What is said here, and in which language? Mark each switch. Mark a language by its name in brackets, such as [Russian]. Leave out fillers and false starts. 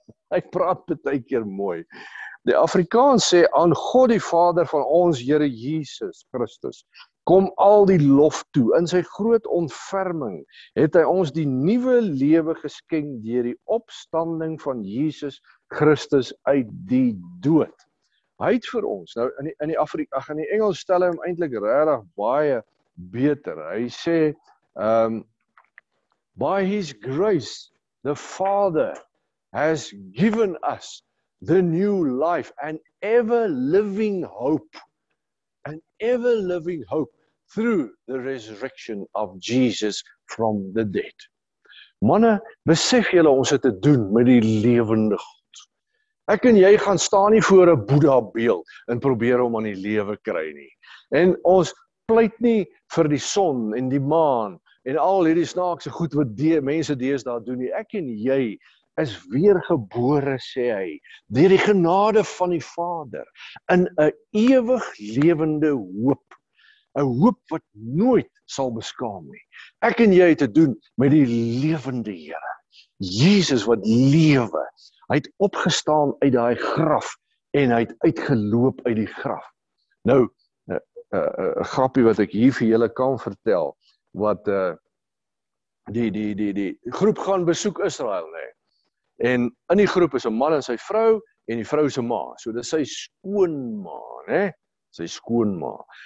[Afrikaans] Hy praat baie keer mooi. Die Afrikaans sê, aan God die Vader van ons Here Jesus Christus, kom al die lof toe. In sy groot ontferming het hy ons die nuwe lewe geskenk deur die opstanding van Jesus Christus uit die dood. Hy het vir ons, nou in die Engels stel hy hom eintlik regtig baie beter. Hy sê, [English] by his grace, the Father has given us the new life, an ever living hope through the resurrection of Jesus from the dead. [Afrikaans] Manne, besef julle, ons het te doen met die lewende God. Ek en jy gaan staan nie voor 'n Boeddha beeld en probeer om aan die lewe kry nie. En ons pleit nie vir die son en die maan en al hierdie snaakse goed wat mense deesdae doen nie. Ek en jy is weergebore, sê hy, deur die genade van die Vader, in 'n ewig lewende hoop. 'N hoop wat nooit sal beskaam nie. Ek en jy het te doen met die lewende Here. Jesus wat lewe. Hy het opgestaan uit daai graf, en hy het uitgeloop uit die graf. Nou, 'n grappie wat ek hier vir julle kan vertel, wat die groep gaan besoek Israel, nê. En in die groep is 'n man en sy vrou en die vrou se ma. So dis sy skoonma, nê? Sy skoonma.